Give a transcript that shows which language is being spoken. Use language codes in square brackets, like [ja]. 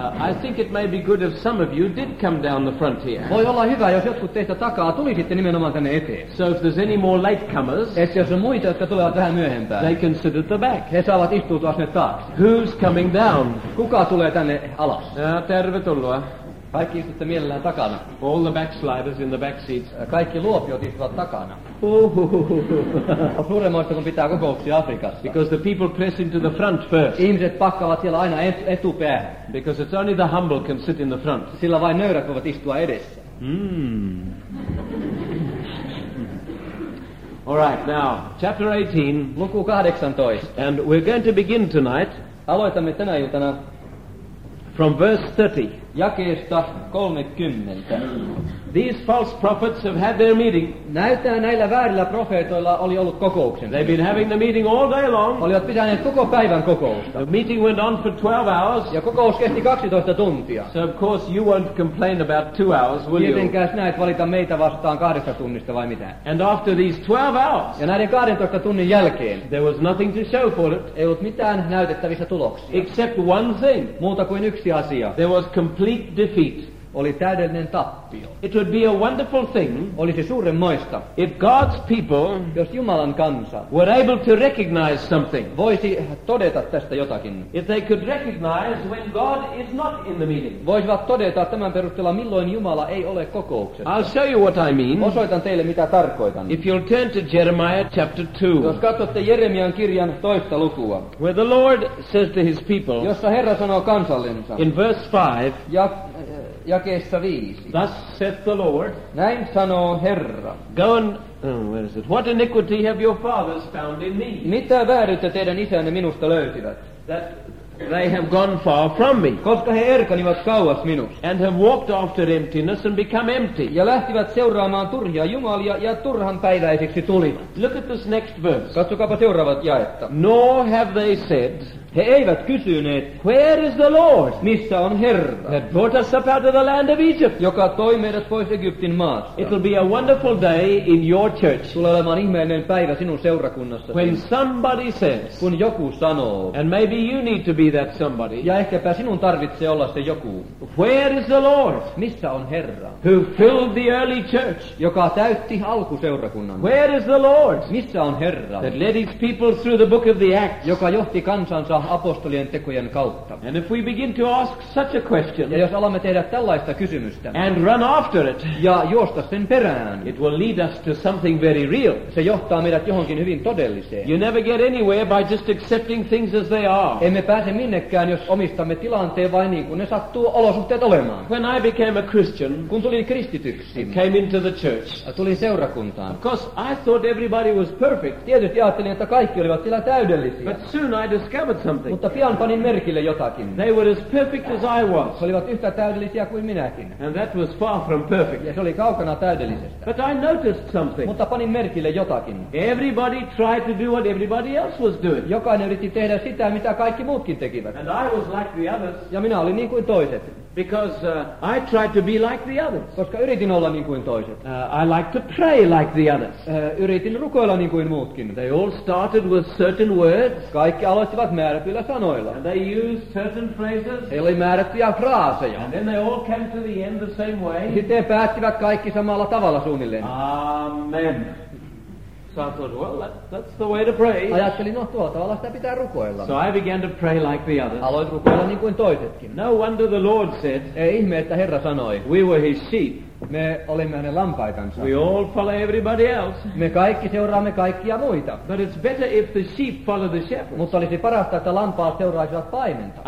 [en] I think it may be good if some of you did come down the front here. [fi] Voi olla hyvä, jos jotkut teistä takaa tulisitte nimenomaan tänne eteen. [en] So if there's any more latecomers, [fi] et jos on muita, jotka tulevat vähän myöhempään, [en] they can sit at the back. [fi] He saavat istuutua sinne taakse. [en] Who's coming down? [fi] Kuka tulee tänne alas? Tervetuloa. Kaikki istutte mielellään takana. [en] All the backsliders in the back seats. [fi] Kaikki luopiot istuvat takana. Uhuhuhu. On suuremmoista, kun pitää kokouksia Afrikassa. [en] Because the people press into the front first. [fi] Ihmiset pakkaavat siellä aina etupäähän. [en] Because it's only the humble can sit in the front. [fi] Sillä vain nöyrät voivat istua edessä. [en] All right, now, chapter 18. [fi] Luku 18. [en] And we're going to begin tonight. [fi] Aloitamme tänä iltana. [en] From verse 30. [fi] Jakeesta 30. [en] These false prophets have had their meeting. [fi] Näyttää näillä väärillä profeetoilla oli ollut kokouksen. [en] They've been having the meeting all day long. [fi] Olivat pitäneet koko päivän kokousta. [en] The meeting went on for 12 hours. [fi] Ja kokous kesti 12 tuntia. [en] So of course you won't complain about 2 hours, will you? [fi] Tietenkään näet valita meitä vastaan 2 tunnista vai mitä. [en] And after these 12 hours. [fi] Ja näiden 12 tunnin jälkeen. [en] There was nothing to show for it. [fi] Ei ollut mitään näytettävissä tuloksia. [en] Except one thing. [fi] Muuta kuin yksi asia. [en] There was complete defeat. [fi] Oli täydellinen tappio. [en] It would be a wonderful thing. [fi] Olisi suurenmoista. [en] If God's people, [fi] jos Jumalan kansa, [en] were able to recognize something. [fi] Voisi todeta tästä jotakin. [en] If they could recognize when God is not in the meeting. [fi] Voisivat todeta tämän perusteella, milloin Jumala ei ole kokouksessa. [en] I'll show you what I mean. [fi] Osoitan teille mitä tarkoitan. [en] If you'll turn to Jeremiah chapter 2. [fi] Jos katsotte Jeremian kirjan toista lukua. [en] Where the Lord says to his people. [fi] Jossa Herra sanoo kansallensa. [en] In verse 5. [fi] Ja jakeessa 5. [en] Thus saith the Lord. [fi] Näin sanoo Herra. [en] Go and, where is it? What iniquity have your fathers found in me? [fi] Mitä vääryyttä teidän isänne minusta löytivät? [en] That they have gone far from me. [fi] Koska he erkanivat kauas minusta. [en] And have walked after emptiness and become empty. [fi] Ja lähtivät seuraamaan turhia jumalia ja turhan päiväisiksi tulivat. [en] Look at this next verse. [fi] Katsokaapa seuraavat jaetta. [en] Nor have they said. [fi] He eivät kysyneet, [en] where is the Lord? [fi] Missä on Herra? [en] That brought us up out of the land of Egypt. [fi] Joka toi meidät pois Egyptin maasta. [en] It will be a wonderful day in your church. [fi] Tulee olemaan ihmeellinen päivä sinun seurakunnassa. [en] When somebody says. [fi] Kun joku sanoo. [en] And maybe you need to be that somebody. [fi] Ja ehkäpä sinun tarvitsee olla se joku. [en] Where is the Lord? [fi] Missä on Herra? [en] Who filled the early church. [fi] Joka täytti alkuseurakunnan. [en] Where is the Lord? [fi] Missä on Herra? [en] That led his people through the book of the Acts. [fi] Joka johti kansansa apostolien tekojen kautta. [en] And if we begin to ask such a question, [fi] ja jos alamme tehdä tällaista kysymystä, [en] and run after it, [fi] ja juosta sen perään, [en] it will lead us to something very real. [fi] Se johtaa meidät johonkin hyvin todelliseen. [en] You never get anywhere by just accepting things as they are. [fi] Emme pääse minnekään, jos omistamme tilanteen vain niin kuin ne sattuu olosuhteet olemaan. [en] When I became a Christian, [fi] kun tulin kristityksi, [en] came into the church, [fi] tulin seurakuntaan. [en] Because I thought everybody was perfect. [fi] Tietysti ajattelin, että kaikki olivat siellä täydellisiä. [en] But soon I discovered something. [fi] Mutta pian panin merkille jotakin. [en] They were as perfect as I was. [fi] He olivat yhtä täydellisiä kuin minäkin. [en] And that was far from perfect. [fi] Ja se oli kaukana täydellisestä. [en] But I noticed something. [fi] Mutta panin merkille jotakin. [en] Everybody tried to do what everybody else was doing. [fi] Jokainen yritti tehdä sitä, mitä kaikki muutkin tekivät. [en] And I was like the others. [fi] Ja minä olin niin kuin toiset. [en] Because I tried to be like the others. [fi] Koska yritin olla niin kuin toiset. [en] I like to pray like the others. [fi] Yritin rukoilla niin kuin muutkin. [en] They all started with certain words. [fi] Kaikki aloittivat määrätyillä sanoilla. [en] And they used certain phrases. [fi] He oli määrättyjä fraaseja. [en] And then they all came to the end the same way. [fi] Sitten päättivät kaikki samalla tavalla suunnilleen. [en] Amen. So I thought, well, that's the way to pray. [fi] Ajattelin, no tuolla tavalla sitä pitää rukoilla. [en] So I began to pray like the others. [fi] Aloit rukoilla niin kuin toisetkin. [en] No wonder the Lord said. [fi] Ei ihme, että Herra sanoi. [en] We were his sheep. [fi] Me olimme hänen lampaitansa. [en] We all follow everybody else. [fi] Me kaikki seuraamme kaikkia muita. [en] But it's better if the sheep follow the shepherd. [fi] Mutta olisi parasta, että lampaat seuraisivat paimenta.